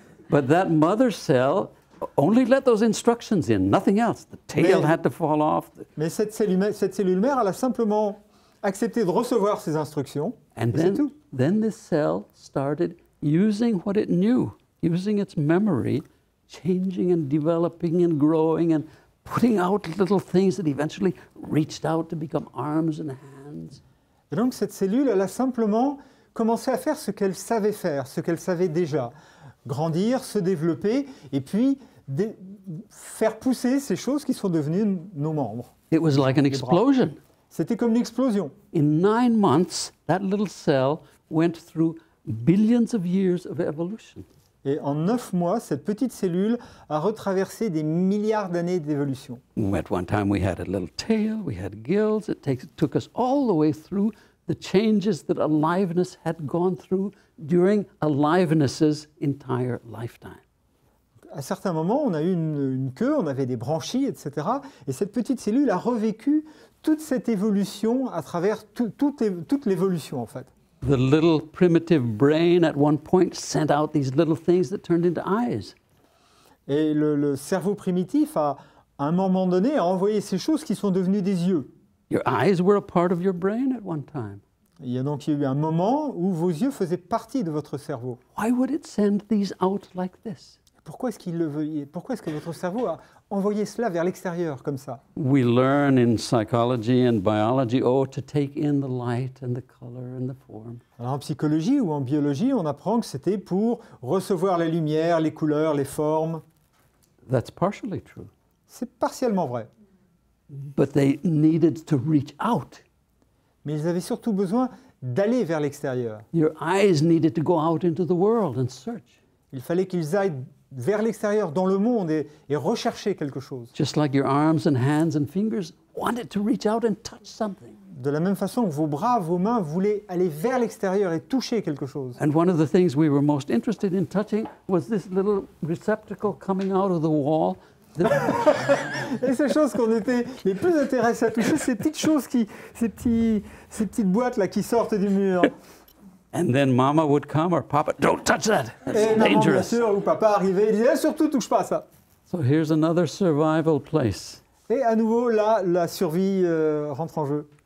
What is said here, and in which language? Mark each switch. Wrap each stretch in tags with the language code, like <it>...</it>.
<en>But that mother cell only let those instructions in, nothing else. The tail had to fall off.</en> <fr>Mais cette cellule mère, elle a simplement accepté de recevoir ces instructions.</fr> <en>And</en> <fr>et</fr> <en>then,</en> <fr>c'est tout.</fr> <en>Then this cell started using what it knew. Using its memory, changing and developing and growing and putting out little things that eventually reached out to become arms and hands.</en> <fr>Et donc cette cellule, elle a simplement commencé à faire, ce qu'elle savait déjà. Grandir, se développer, et puis faire pousser ces choses qui sont devenues nos membres.</fr> <en>It was like an explosion.</en> <fr>C'était comme une explosion.</fr> <en>In 9 months, that little cell went through billions of years of evolution.</en> <fr>Et en 9 mois, cette petite cellule a retraversé des milliards d'années d'évolution.</fr> <en>At one time we had a little tail, we had gills, it took us all the way through the changes that aliveness had gone through during aliveness's entire lifetime.</en> <fr>À certains moments, on a eu une queue, on avait des branchies, etc. Et cette petite cellule a revécu toute cette évolution à travers toute l'évolution, en fait.</fr> <en>The little primitive brain at one point sent out these little things that turned into eyes.</en> <fr>Et le cerveau primitif à un moment donné a envoyé ces choses qui sont devenues des yeux.</fr> <en>Your eyes were a part of your brain at one time.</en> <fr>Il y a donc eu un moment où vos yeux faisaient partie de votre cerveau.</fr> <en>Why would it send these out like this?</en> <fr>Pourquoi est-ce que votre cerveau a envoyé cela vers l'extérieur comme ça?</fr> <en>We learn in psychology and biology, to take in the light and the color and the form.</en> <fr>Alors en psychologie ou en biologie, on apprend que c'était pour recevoir les lumières, les couleurs, les formes.</fr> <en>That's partially true.</en> <fr>C'est partiellement vrai.</fr> <en>But they needed to reach out.</en> <fr>Mais ils avaient surtout besoin d'aller vers l'extérieur.</fr> <en>Your eyes needed to go out into the world and search.</en> <fr>Il fallait qu'ils aillent vers l'extérieur dans le monde et rechercher quelque chose.</fr> <en>Just like your arms and hands and fingers wanted to reach out and touch something.</en> <fr>De la même façon que vos bras, vos mains voulaient aller vers l'extérieur et toucher quelque chose.</fr> <en>And one of the things we were most interested in touching was this little receptacle coming out of the wall.</en> <fr>Et ces choses qu'on était les plus intéressés à toucher, ces petites choses qui, ces petites boîtes là qui sortent du mur.</fr> <en>And then Mama would come or Papa, don't touch that. That's dangerous.</en> <fr>Et maman, bien sûr, ou Papa arrivait, il disait surtout touche pas ça.</fr> <en>So here's another survival place.</en> <fr>Et à nouveau là, la survie rentre en jeu.</fr>